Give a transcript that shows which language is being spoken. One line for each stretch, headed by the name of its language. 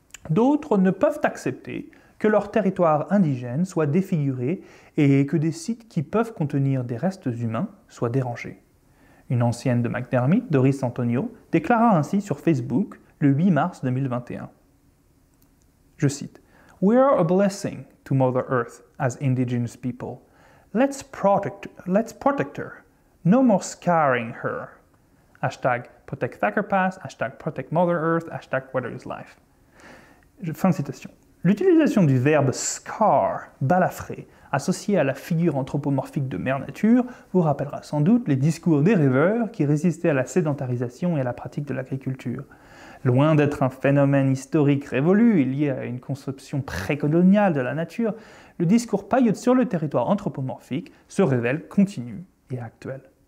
French: D'autres ne peuvent accepter que leur territoire indigène soit défiguré et que des sites qui peuvent contenir des restes humains soient dérangés. Une ancienne de McDermitt, Doris Antonio, déclara ainsi sur Facebook le 8 mars 2021. Je cite «
English: We are a blessing, to Mother Earth as indigenous people. Let's protect her. No more scarring her. Hashtag protect Thacker Pass, hashtag protect Mother Earth, hashtag water is life.
French: Fin de citation. L'utilisation du verbe scar, balafré, associé à la figure anthropomorphique de Mère Nature, vous rappellera sans doute les discours des rêveurs qui résistaient à la sédentarisation et à la pratique de l'agriculture. Loin d'être un phénomène historique révolu et lié à une conception précoloniale de la nature, le discours paillote sur le territoire anthropomorphique se révèle continu et actuel.